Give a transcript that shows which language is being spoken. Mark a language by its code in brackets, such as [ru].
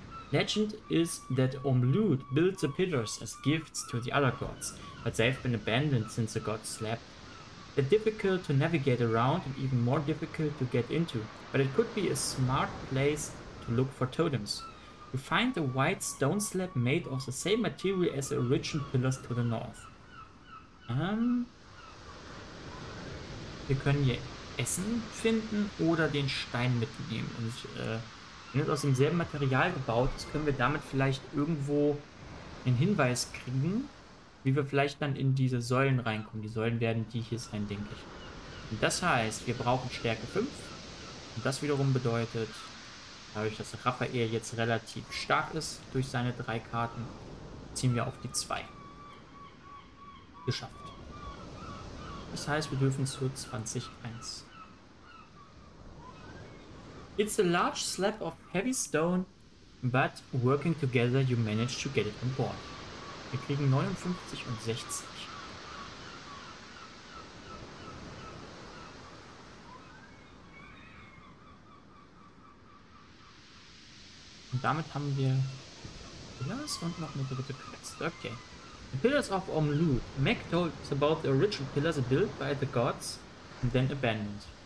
[en] Legend is that Omlud built the pillars as gifts to the other gods, but they've been abandoned since the gods slept. They're difficult to navigate around and even more difficult to get into, but it could be a smart place to look for totems. You find a white stone slab made of the same material as the original pillars to the north. [de] Wir können hier Essen finden oder den Stein mitnehmen und wenn es aus demselben Material gebaut ist, können wir damit vielleicht irgendwo einen Hinweis kriegen, wie wir vielleicht dann in diese Säulen reinkommen. Die Säulen werden die hier sein, denke ich. Und das heißt, wir brauchen Stärke 5. Und das wiederum bedeutet, dadurch, dass Raphael jetzt relativ stark ist durch seine 3 Karten, ziehen wir auf die 2. Geschafft. Das heißt, wir dürfen zur 20-1. [en] It's a large slab of heavy stone, but working together you manage to get it on board. [de] Wir kriegen 59 und 60. damit haben wir Pillars und noch eine dritte Quest. [en] Okay. The Pillars of Omlu. Mac told us about the original pillars built by the gods and then abandoned.